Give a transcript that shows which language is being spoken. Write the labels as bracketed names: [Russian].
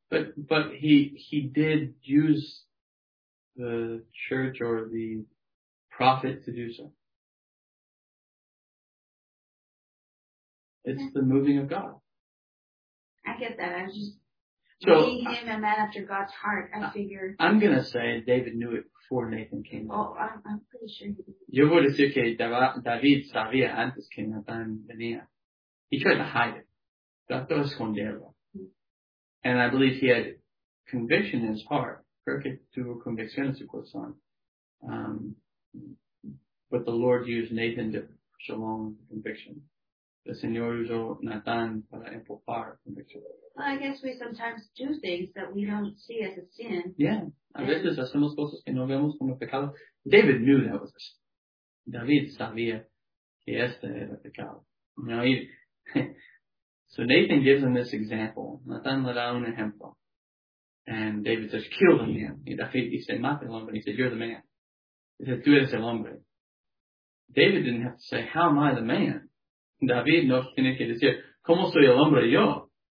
[English] But he did use the church or the prophet to do so. It's the moving of God. I get that. I was just seeing him a man after God's heart. I'm going to say David knew it before Nathan came. Oh, I'm pretty sure he did. [Spanish] Yo voy a decir que David sabía antes que Nathan venía. [English] He tried to hide it. [Spanish] Trató de esconderlo. [English] And I believe he had conviction in his heart. [Spanish] Porque tuvo convicción en su corazón. [English] But the Lord used Nathan to push along the conviction. [Spanish] The Señor usó Nathan para empujar convicción. [English] Well, I guess we sometimes do things that we don't see as a sin. [Spanish] Yeah. A veces hacemos cosas que no vemos como pecado. [English] David knew that was a sin. [Spanish] David sabía que este era pecado. [English] Now, so Nathan gives him this example. [Spanish] Nathan le da un ejemplo. [English] And David says, kill the man. [Spanish] Y David dice, mate el hombre. [English] He said, you're the man. He said, [Spanish] tú eres el hombre. [English] David didn't have to say, how am I the man? [Spanish] David no tiene que decir, ¿cómo soy el hombre yo?